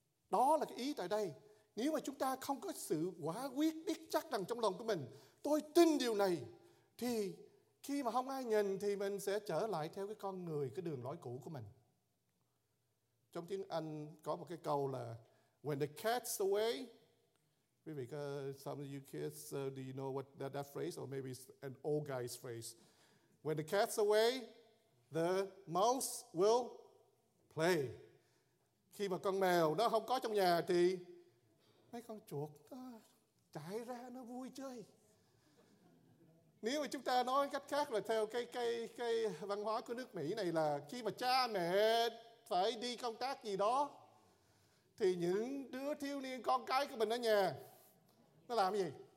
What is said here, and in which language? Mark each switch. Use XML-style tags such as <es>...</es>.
<vi>Đó là cái ý tại đây. Nếu mà chúng ta không có sự quả quyết, biết chắc rằng trong lòng của mình, tôi tin điều này, thì khi mà không ai nhìn thì mình sẽ trở lại theo cái con người, cái đường lối cũ của mình. Trong tiếng Anh có một cái câu là</vi> <en>when the cat's away.</en> <vi>Quý vị có,</vi> <en>some of you kids, do you know what that phrase, or maybe it's an old guy's phrase. When the cat's away, the mouse will play.</en> <vi>Khi mà con mèo nó không có trong nhà thì mấy con chuột nó chạy ra, nó vui chơi. Nếu mà chúng ta nói cách khác là theo cái văn hóa của nước Mỹ này là khi mà cha mẹ phải đi công tác gì đó thì những đứa thiếu niên con cái của mình ở nhà nó làm cái gì?</vi>